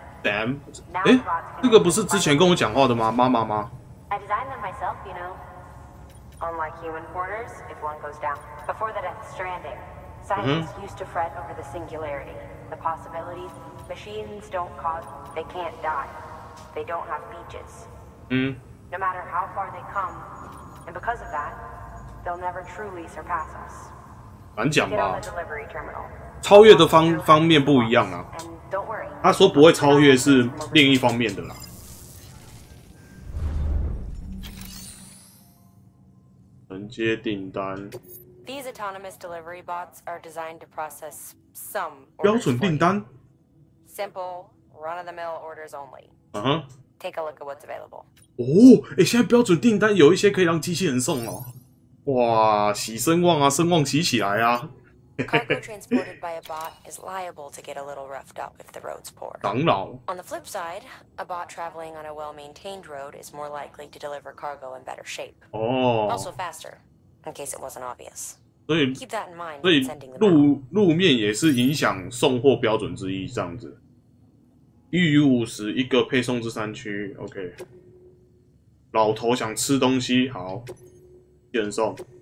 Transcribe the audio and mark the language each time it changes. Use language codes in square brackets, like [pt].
[zh] Sam， 哎，这个不是之前跟我讲话的吗？妈妈吗 [en] ？I designed them myself, you know. Unlike human quarters, if one goes down before the death stranding, scientists used to fret over the singularity, the possibility machines don't cause, they can't die, they don't have beaches. No matter how far they come, and because of that, they'll never truly surpass us. [zh] 难讲吧？超越的方面不一样啊。他说不会超越是另一方面的啦。能接订单。 [en] These autonomous delivery bots are designed to process some orders. [zh] 标准订单。 [en] Simple, run-of-the-mill orders only. Take a look at what's available. [zh] 哦，哎，现在标准订单有一些可以让机器人送哦。哇，喜声旺啊，声旺喜起来啊。 [en] Cargo transported by a bot is liable to get a little roughed up if the road's poor. [zh] 当然。 [en] On the flip side, a bot traveling on a well-maintained road is more likely to deliver cargo in better shape. Oh. Also faster, in case it wasn't obvious. [zh] 所以 [en] keep that in mind. [zh] 所以路面也是影响送货标准之一，这样子。 1:50，一个配送至山区。OK。 老头想吃东西，好，接送。